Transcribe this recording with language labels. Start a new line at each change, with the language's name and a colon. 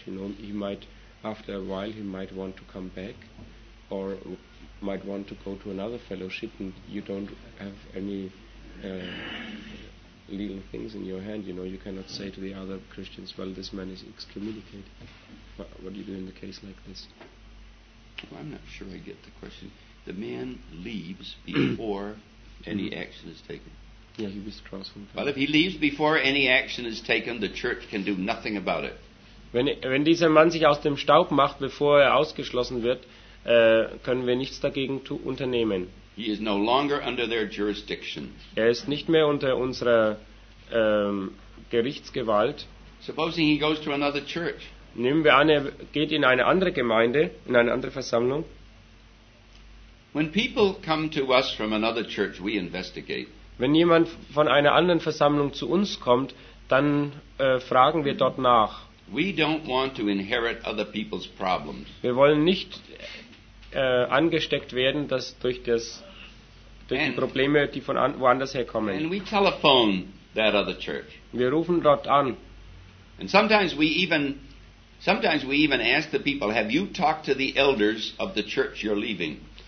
English: You know, he might, after a while, he might want to come back, or might want to go to another fellowship, and you don't have any legal things in your hand. You know, you cannot say to the other Christians, well, this man is excommunicated. What do you do in a case like this? Well, I'm not sure I get the question. The man leaves before any action is taken. Yeah, he withdraws from the church. Well, if he leaves before any action is taken, the church can do nothing about it.
German: Wenn dieser Mann sich aus dem Staub macht, bevor er ausgeschlossen wird, können wir nichts dagegen unternehmen.
English: He is no longer under their jurisdiction.
German: Er ist nicht mehr unter unserer Gerichtsgewalt.
English: Supposing he goes to another church.
German: Nehmen wir an, er geht in eine andere Gemeinde, in eine andere Versammlung.
English: When people come to us from another church, we investigate.
German: Wenn jemand von einer anderen Versammlung zu uns kommt, dann fragen wir dort nach.
English: We don't want to inherit other people's problems.
German: Wir wollen nicht angesteckt werden, dass durch die Probleme, die von woanders herkommen.
English: And we telephone that other church.
German: Wir rufen dort an.
English: And sometimes we even ask the people, have you talked to the elders of the church you're leaving?